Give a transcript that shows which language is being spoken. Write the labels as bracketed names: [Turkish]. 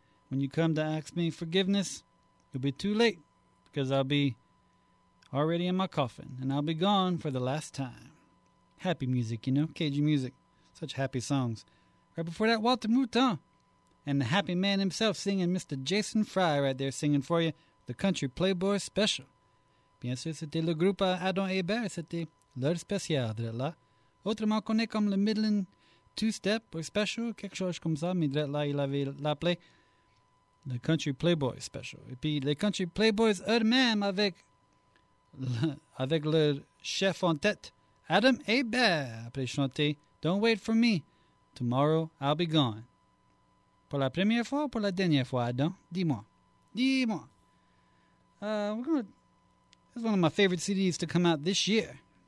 [English] When you come to ask me forgiveness, you'll be too late, because I'll be already in my coffin, and I'll be gone for the last time. Happy music, you know, Cajun music. Such happy songs. Right before that, Walter Mouton and the happy man himself singing Mr. Jason Fry right there singing for you the Country Playboy Special. [French] Bien sûr, c'était le groupe Adam Hébert, c'était leur spécial, d'être là. Autrement connaît comme le Midland Two-Step or Special, quelque chose comme ça, mais d'être là, il avait l'appelé le Country Playboy Special. Et puis, les Country Playboys eux-mêmes avec leur chef en tête, Adam Hébert, après chanter Don't Wait For Me. [English] Tomorrow, I'll be gone. [French] Pour la première fois ou pour la dernière fois, Adam? Dis-moi. [English] This is one of my favorite CDs to come out this year.